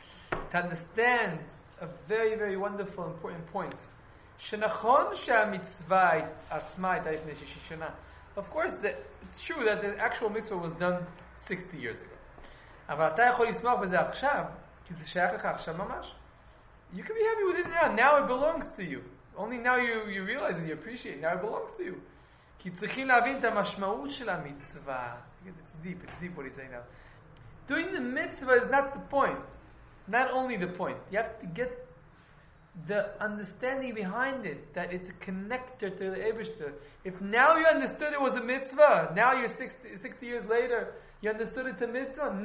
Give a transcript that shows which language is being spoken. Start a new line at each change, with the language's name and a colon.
English: To understand a very, very wonderful, important point.
Hebrew: שנכון שהמצווה עצמה הייתה לפני 60 שנה.
English: Of course, it's true that the actual mitzvah was done 60 years ago.
Hebrew: אבל אתה יכול לסמוך בזה עכשיו, כי זה שייך לך עכשיו ממש.
English: You can be happy with it now. Now it belongs to you. Only now you realize and you appreciate it. Now it belongs to you.
Hebrew: כי צריכים להבין את המשמעות של המצווה.
English: It's deep what he's saying now. Doing the mitzvah is not the point. Not only the point. You have to get the understanding behind it. That it's a connector to the Eibishter. If now you understood it was a mitzvah. Now you're 60 years later. You understood it's a mitzvah.